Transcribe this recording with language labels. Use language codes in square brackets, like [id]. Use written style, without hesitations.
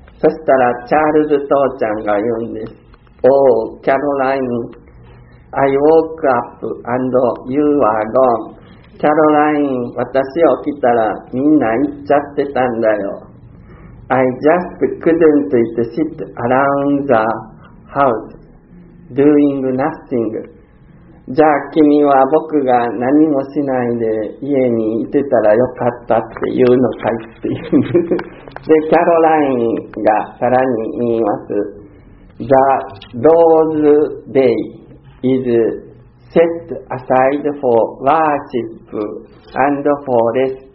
[ja] そしたら、チャールズ父ちゃんが言うんです。 [en] Oh, Caroline, I woke up and you are gone. [ja] キャロライン、私起きたらみんな行っちゃってたんだよ。 [en] I just couldn't sit around the house doing nothing. [ja] じゃあ君は僕が何もしないで家にいてたらよかったっていうのかいっていう。で、キャロラインがさらに言います。 [en] The Lord's Day is set aside for worship and for rest.